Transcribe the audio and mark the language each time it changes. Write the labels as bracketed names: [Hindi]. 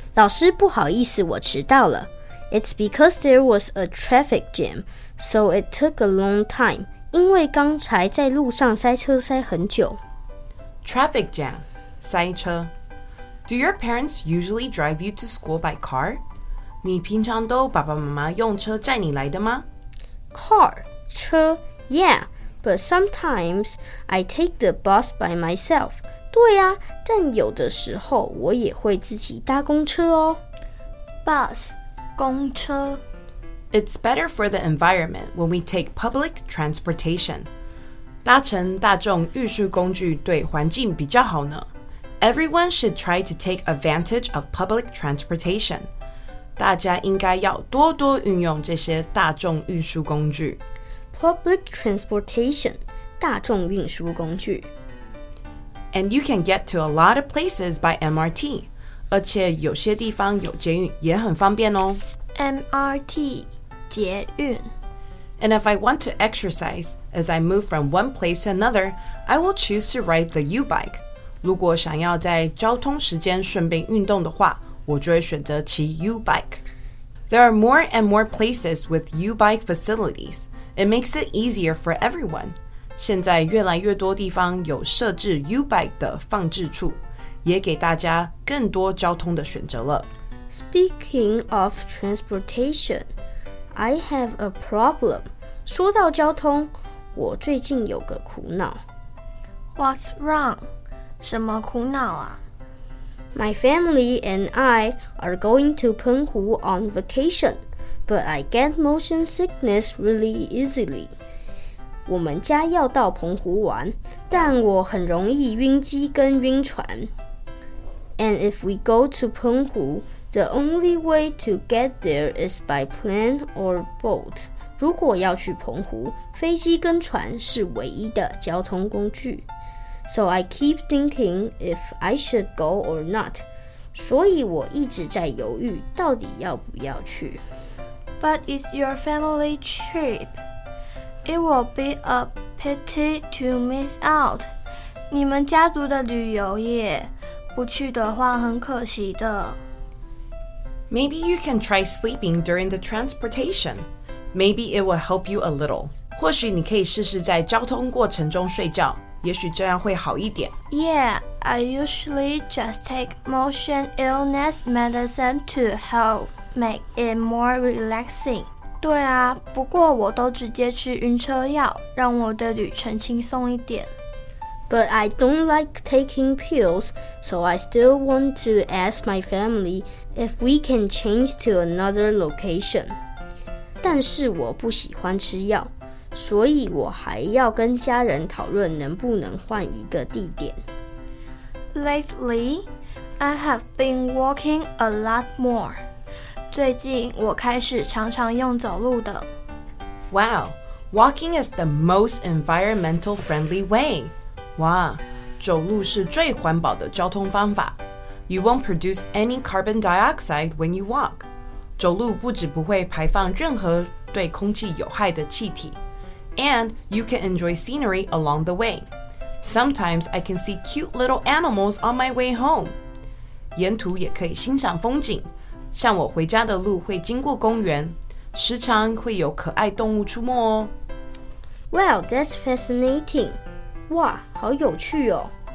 [Chinese] 老师不好意思，我迟到了。 [English] It's because there was a traffic jam, so it took a long time. [Chinese] 因为刚才在路上塞车塞很久。 [English] Traffic jam， 塞车。 Do your parents usually drive you to school by car? [Chinese] 你平常都爸爸妈妈用车载你来的吗 [English] ？Car 车 ，Yeah， but sometimes I take the bus by myself. [Chinese] 对呀、啊，但有的时候我也会自己搭公车哦。 [English] Bus 公车。 It's better for the environment when we take public transportation. [Chinese] 搭乘大众运输工具对环境比较好呢。 [English] Everyone should try to take advantage of public transportation. [Chinese] 大家应该要多多运用这些大众运输工具。 [English] Public transportation, 大众运输工具。 And you can get to a lot of places by MRT, [Chinese] 而且有些地方有捷运也很方便哦。 MRT, 捷运。 [English] And if I want to exercise, as I move from one place to another, I will choose to ride the U-bike. [Chinese] 如果想要在交通时间顺便运动的话我就会选择骑 U-bike. [English] There are more and more places with U-bike facilities. It makes it easier for everyone. [Chinese] 现在越来越多地方有设置 U-bike 的放置处，也给大家更多交通的选择了。 [English] Speaking of transportation, I have a problem. [Chinese] 说到交通，我最近有个苦恼。 [English] What's wrong? [Chinese] 什么苦恼啊？ [English] My family and I are going to Penghu on vacation, but I get motion sickness really easily. [Chinese] 我们家要到澎湖玩，但我很容易晕机跟晕船。 [English] And if we go to Penghu, the only way to get there is by plane or boat. [Chinese] 如果要去澎湖，飞机跟船是唯一的交通工具。 [English] So I keep thinking if I should go or not. [Chinese] 所以我一直在犹豫到底要不要去。 [English] But it's your family trip. It will be a pity to miss out. [Chinese] 你们家族的旅游耶，不去的话很可惜的。 [English] Maybe you can try sleeping during the transportation. Maybe it will help you a little. [Chinese] 或许你可以试试在交通过程中睡觉。也许这样会好一点。 [English] Yeah, I usually just take motion illness medicine to help make it more relaxing. [Chinese] 对啊，不过我都直接吃晕车药，让我的旅程轻松一点。 [English] But I don't like taking pills, so I still want to ask my family if we can change to another location. [Chinese] 但是我不喜欢吃药。所以我还要跟家人讨论能不能换一个地点。 [English] Lately, I have been walking a lot more. [Chinese] 最近我开始常常用走路的。 [English] Wow, walking is the most environmental friendly way. [Chinese] 哇，走路是最环保的交通方法。 [English] You won't produce any carbon dioxide when you walk. [Chinese] 走路不只不会排放任何对空气有害的气体。 [English] And you can enjoy scenery along the way. Sometimes I can see cute little animals on my way home. [Chinese] 沿途也可以欣赏风景，像我回家的路会经过公园，时常会有可爱动物出没哦。 [English] Well, that's fascinating. [Chinese] 哇，好有趣哦。